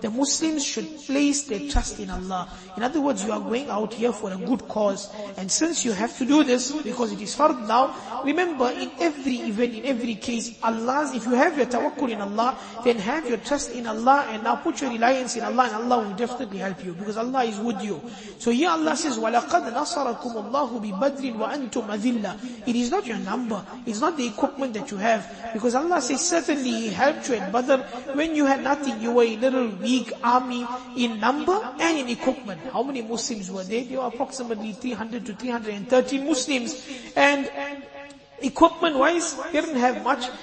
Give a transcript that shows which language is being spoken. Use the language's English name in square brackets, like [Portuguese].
[English] The Muslims should place their trust in Allah. In other words, you are going out here for a good cause. And since you have to do this, because it is hard now, remember in every event, in every case, Allah's, if you have your tawakkul in Allah, then have your trust in Allah and now put your reliance in Allah and Allah will definitely help you because Allah is with you. So here Allah says, [Arabic] وَلَقَدْ نَصَرَكُمُ اللَّهُ بِبَدْرٍ وَأَنْتُمْ أَذِلَّ. [English] It is not your number. It's not the equipment that you have. Because Allah says, certainly He helped you at Badr when you had nothing. You were a little weak army in number and in equipment. How many Muslims were there? There were approximately 300 to 330 Muslims. And equipment-wise, they didn't have much.